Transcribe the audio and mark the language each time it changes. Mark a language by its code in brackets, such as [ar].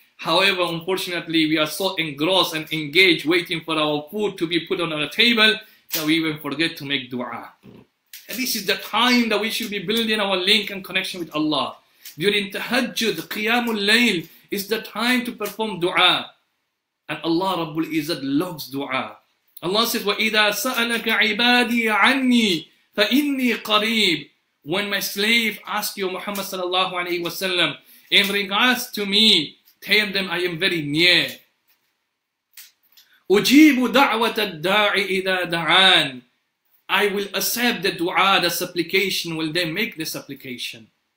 [en] However, unfortunately, we are so engrossed and engaged waiting for our food to be put on our table that we even forget to make dua. And this is the time that we should be building our link and connection with Allah. During tahajjud, qiyamul layl, is the time to perform dua. And Allah Rabbul Izzat loves dua. Allah says, [ar] وَإِذَا سَأَلَكَ عِبَادِي عَنِّي فَإِنِّي قَرِيبٌ. [en] When my slave asks you, Muhammad sallallahu alayhi wa sallam, in regards to me, tell them I am very near. [ar] أُجِيبُ دَعْوَةَ الدَّاعِ إِذَا دَعَانْ. [en] I will accept the dua, the supplication, will they make the supplication.